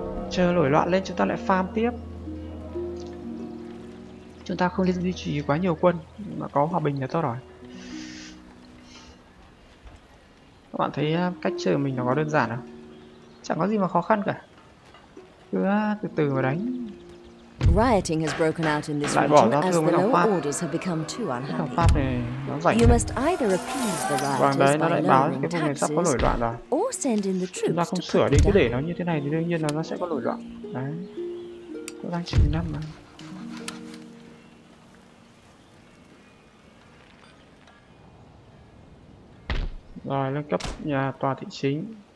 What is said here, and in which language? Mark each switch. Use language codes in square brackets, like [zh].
[vi] Chờ nổi loạn lên chúng ta lại farm tiếp. Chúng ta không nên duy trì quá nhiều quân, mà có hòa bình là tốt rồi. Các bạn thấy cách chơi của mình nó có đơn giản không? Chẳng có gì mà khó khăn cả. Cứ từ từ mà đánh. [en] Rioting has broken out in this region as the lower orders have become too unhappy. You must either appease the rioters by lowering taxes, or send in the troops. [vi] Chúng ta không sửa đi, cứ để nó như thế này thì đương nhiên là nó sẽ có nổi loạn. Đấy, nó đang chỉ năm mà. Rồi, nâng cấp nhà tòa thị chính.